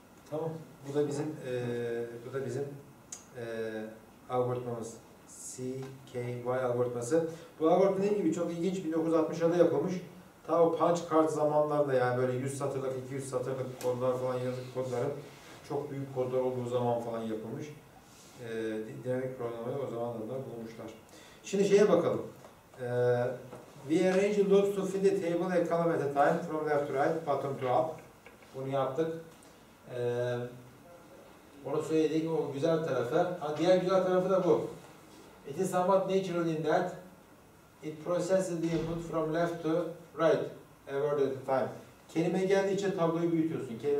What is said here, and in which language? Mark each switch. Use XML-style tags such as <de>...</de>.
<tr>Tamam. Bu da bizim algoritmamız CKY algoritması. Bu algoritma dediğim gibi çok ilginç, 1960'da yapılmış. Ta o punch card zamanlarda, yani böyle 100 satırlık 200 satırlık kodlar falan yazık kodların çok büyük kodlar olduğu zaman falan yapılmış. Dinamik programı o zamanlar bulmuşlar. Şimdi şeye bakalım.</tr> <en>We arrange loops to fit the table a column at a time from left to right, bottom to up.</en> <tr>Bunu yaptık. Onu söyledik, o güzel tarafı. Ha, diğer güzel tarafı da bu.</tr> <en>It is somewhat natural in that it processes the input from left to right a word at a time.</en> <tr>Kelime geldiğince tabloyu büyütüyorsun.</tr>